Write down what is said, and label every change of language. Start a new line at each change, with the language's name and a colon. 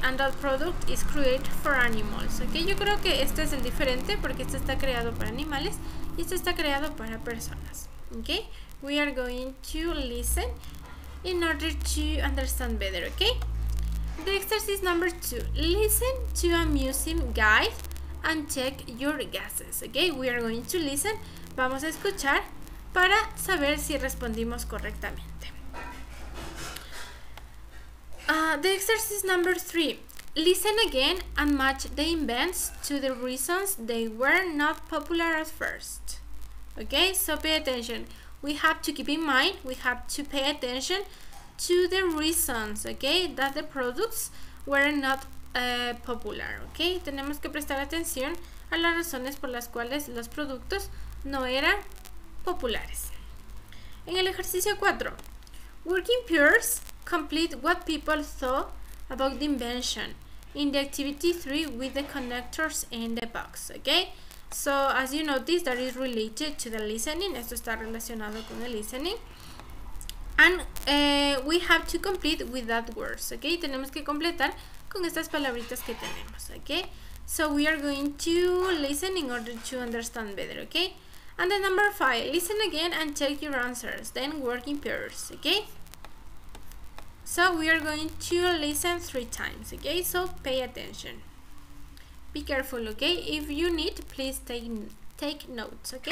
English: And that product is created for animals, okay?
Spanish: Yo creo que este es el diferente porque este está creado para animales y este está creado para personas, okay?
English: We are going to listen in order to understand better, okay? The exercise number 2. Listen to a museum guide and check your guesses, okay? We are going to listen,
Spanish: vamos a escuchar para saber si respondimos correctamente.
English: The exercise number 3. Listen again and match the events to the reasons they were not popular at first. Okay, so pay attention. We have to keep in mind, we have to pay attention to the reasons, okay, that the products were not popular, okay?
Spanish: Tenemos que prestar atención a las razones por las cuales los productos no eran populares. En el ejercicio
English: 4, working pairs complete what people thought about the invention in the activity 3 with the connectors in the box, okay? So, as you notice, that is related to the listening.
Spanish: Esto está relacionado con el listening.
English: And we have to complete with that words, okay?
Spanish: Tenemos que completar con estas palabritas que tenemos, okay?
English: So we are going to listen in order to understand better, okay? And the number 5, listen again and check your answers, then work in pairs, okay? So we are going to listen 3 times, okay? So pay attention. Be careful, okay? If you need, please take notes, okay?